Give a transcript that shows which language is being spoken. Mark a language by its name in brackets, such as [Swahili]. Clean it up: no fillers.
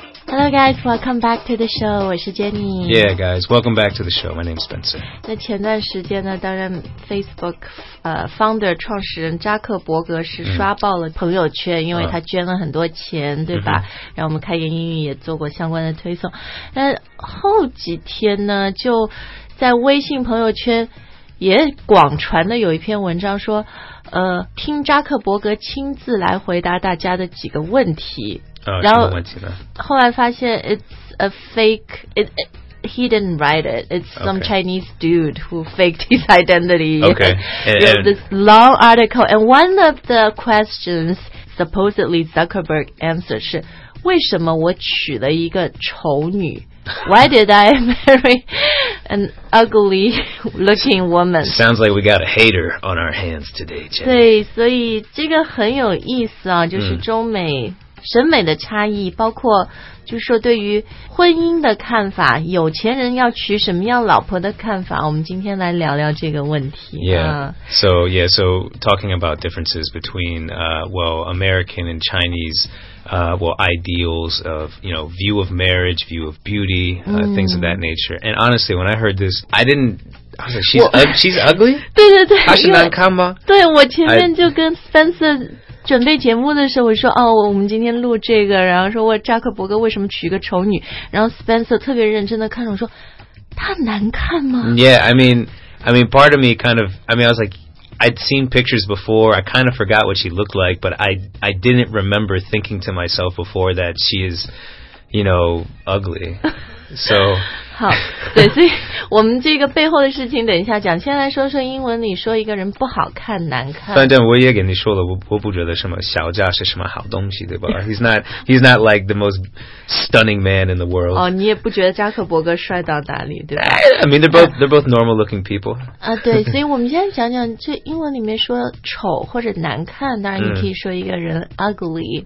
[English] Hello guys, welcome back to the show. [Chinese] 我是 Jenny. [English] Yeah guys, welcome back to the show. My name's Spencer. [Chinese] 那前段时间呢，当然 Facebook founder 创始人扎克伯格是刷爆了朋友圈、因为他捐了很多钱、对吧、然后我们开言英语也做过相关的推送。那后几天呢，就在微信朋友圈也广传的有一篇文章说听扎克伯格亲自来回答大家的几个问题。然后后来发现 [English] it's a fake, he didn't write it, it's some Chinese dude who faked his identity. And this long article, and one of the questions supposedly Zuckerberg answered [Chinese] 是为什么我娶了一个丑女? [English] Why did I marry an ugly looking woman? Sounds like we got a hater on our hands today, Jenny. [Chinese] 对，所以这个很有意思啊，就是中美审美的差异，包括就是说对于婚姻的看法，有钱人要娶什么样老婆的看法，我们今天来聊聊这个问题。 [English] So talking about differences between American and Chinese ideals of, you know, view of marriage, view of beauty, things of that nature. And honestly, when I heard this, she's ugly? [Chinese] 对对对，她是难看吗？对，我前面就跟 Spencer准备节目的时候，我说我们今天录这个，然后说我扎克伯格为什么娶个丑女，然后 Spencer 特别认真的看着我说，她难看吗？ [English] Yeah, I mean, part of me kind of, I mean, I was like, I'd seen pictures before, I kind of forgot what she looked like, but I didn't remember thinking to myself before that she is, you know, ugly. So, [Chinese] 好，对，所以我们这个背后的事情等一下讲。先来说说英文里说一个人不好看、难看。反正我也给你说了，我不觉得什么小家是什么好东西，对吧？ [English] He's not like the most stunning man in the world. [Chinese] 哦，你也不觉得扎克伯格帅到哪里，对吧 [English] ？I mean, they're both normal looking people. [Chinese] 啊，对，所以我们先讲讲这英文里面说丑或者难看，当然你可以说一个人 ugly.